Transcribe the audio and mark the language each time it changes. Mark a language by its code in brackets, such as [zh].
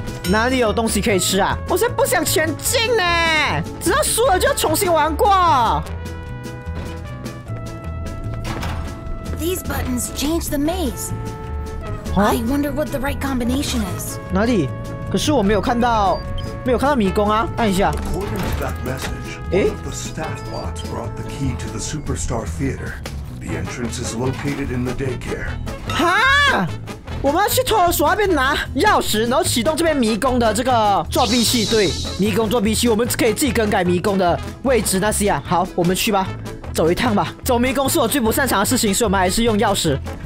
[zh] 哪里有东西可以吃啊？我才不想前进呢！只要输了就要重新玩过。 [en] These buttons change the maze. I wonder what the right combination is. [zh] 哪里？可是我没有看到，没有看到迷宫啊！按一下。 [en] According to that message, one of the staff bots brought the key to the Superstar Theater. The entrance is located in the daycare. [zh] 哈？我们要去托儿所那边拿钥匙，然后启动这边迷宫的这个作弊器。对，迷宫作弊器，我们可以自己更改迷宫的位置那些啊。好，我们去吧，走一趟吧。走迷宫是我最不擅长的事情，所以我们还是用钥匙。